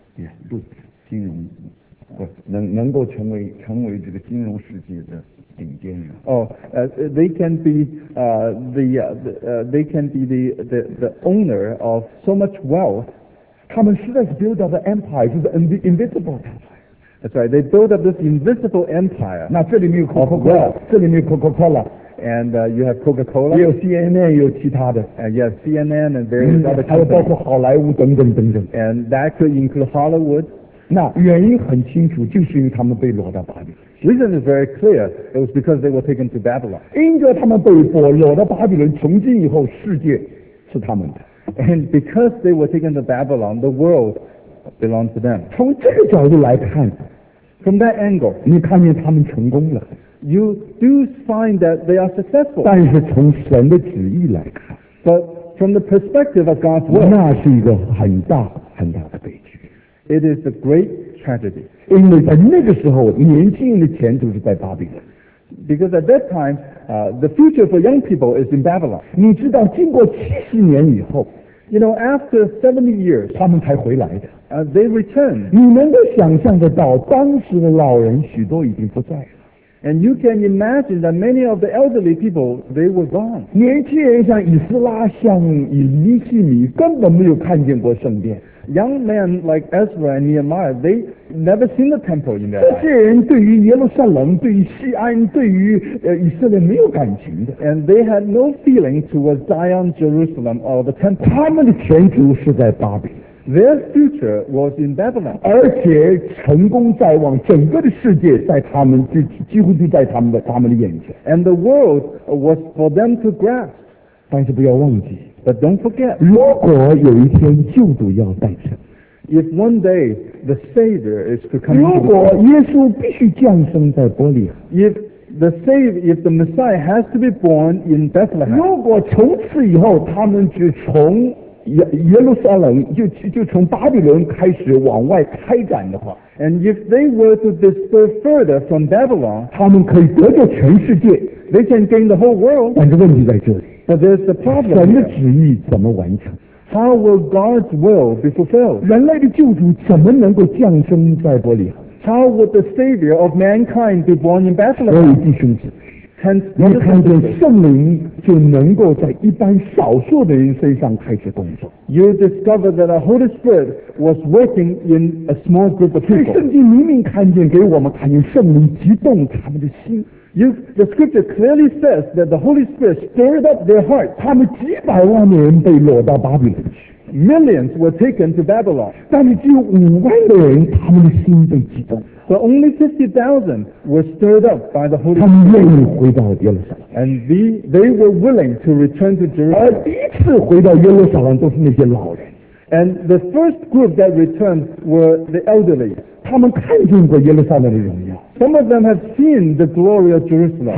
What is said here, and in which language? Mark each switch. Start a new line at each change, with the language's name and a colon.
Chinese: Yeah, 不，金融不能够成为这个金融世界的顶尖人。
English: Oh, they can be the owner of so much wealth.
Chinese: 他们实在是
English: build up the empire,
Chinese: 就是
English: invisible empire. That's right. They build up this invisible empire.
Chinese: 那这里没有 Coca-Cola, 这里没有 Coca-Cola.
English: and you have Coca-Cola.
Chinese: 也有 CNN, 也有其他的。
English: Yes, CNN and various other companies.
Chinese: 还有包括好莱坞等等等等。
English: And that could include Hollywood.
Chinese: 那原因很清楚，就是因为他们被掳到巴比。
English: Reason is very clear. It was because they were taken to Babylon.
Chinese: 因着他们被掳，掳到巴比伦，从今以后世界是他们的。
English: And because they were taken to Babylon, the world belonged to them.
Chinese: 从这个角度来看。
English: From that angle,
Chinese: 你看见他们成功了。
English: You do find that they are successful.
Chinese: 但是从神的旨意来看。
English: But from the perspective of God's will,
Chinese: 那是一个很大很大的悲剧。
English: It is a great tragedy.
Chinese: 因为在那个时候，年轻人的前途是在巴比伦。
English: Because at that time, the future for young people is in Babylon.
Chinese: 你知道，经过70年以后。
English: You know, after 70 years,
Chinese: 他们才回来的。
English: They returned.
Chinese: 你能够想象得到，当时的老人许多已经不在了。
English: And you can imagine that many of the elderly people, they were gone.
Chinese: 年轻人像以斯拉，像以利西米，根本没有看见过圣殿。
English: Young men like Ezra and Nehemiah, they never seen the temple in their life.
Chinese: 这些人对于耶路撒冷，对于锡安，对于以色列没有感情的。
English: And they had no feeling towards Zion, Jerusalem, or the temple.
Chinese: 他们的前途是在巴比。
English: Their future was in Babylon.
Chinese: 而且成功在望，整个的世界在他们就几乎就在他们的眼前。
English: And the world was for them to grasp.
Chinese: 但是不要忘记。
English: But don't forget,
Chinese: 如果有一天救主要诞生，
English: if one day the Savior is to come,
Chinese: 如果耶稣必须降生在伯利恒，
English: if the Messiah has to be born in Bethlehem,
Chinese: 如果从此以后他们就从耶路撒冷 就从巴比伦开始往外开展的话，
English: and if they were to disperse further from Babylon,
Chinese: 他们可以得救全世界，
English: they can gain the whole world.
Chinese: 但是问题在这里。
English: But there's the problem.
Chinese: 神的旨意怎么完成？
English: How will God's will be fulfilled?
Chinese: 人类的救主怎么能够降生在伯利恒？
English: How would the Savior of mankind be born in Bethlehem?
Chinese: 所以弟兄姊妹，你看见圣灵就能够在一般少数的人身上开始工作。
English: You discover that the Holy Spirit was working in a small group of people.
Chinese: 圣经明明看见，给我们看见圣灵激动他们的心。
English: The scripture clearly says that the Holy Spirit stirred up their heart.
Chinese: 他们几百万的人被掳到巴比伦去。
English: Millions were taken to Babylon.
Chinese: 但是只有50,000的人，他们的心被激动。
English: But only 50,000 were stirred up by the Holy Spirit.
Chinese: 他们愿意回到耶路撒冷。
English: And they were willing to return to Jerusalem.
Chinese: 而第一次回到耶路撒冷都是那些老人。
English: And the first group that returned were the elderly.
Chinese: 他们看见过耶路撒冷的荣耀。
English: Some of them have seen the glory of Jerusalem.